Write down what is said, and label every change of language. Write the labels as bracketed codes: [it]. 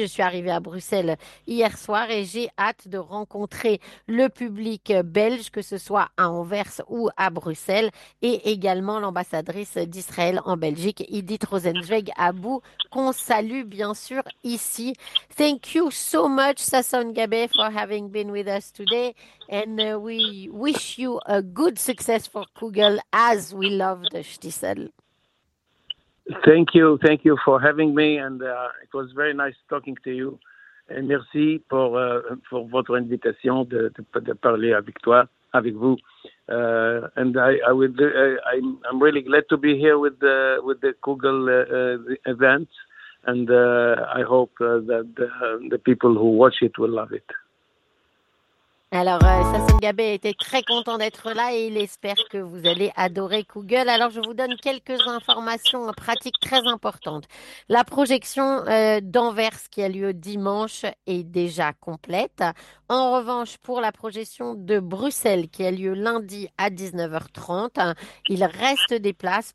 [fr] Je suis arrivée à Bruxelles hier soir et j'ai hâte de rencontrer le public belge, que ce soit à Anvers ou à Bruxelles, et également l'ambassadrice d'Israël en Belgique, Idit Rosenzweig Abou, qu'on salue bien sûr ici. [en] Thank you so much, Sasson Gabe, for having been with us today. And we wish you a good success for Kugel as we love the Stissel. Thank you for having me, and it was very nice talking to you. [fr] Et merci pour votre invitation de parler avec toi. avec vous. [en] And I would I'm really glad to be here with the Google event, and I hope that the people who watch it will love it. [fr] Alors, Sassine Gabé était très content d'être là et il espère que vous allez adorer Google. Alors, je vous donne quelques informations pratiques très importantes. La projection d'Anvers qui a lieu dimanche est déjà complète. En revanche, pour la projection de Bruxelles qui a lieu lundi à 19h30, il reste des places.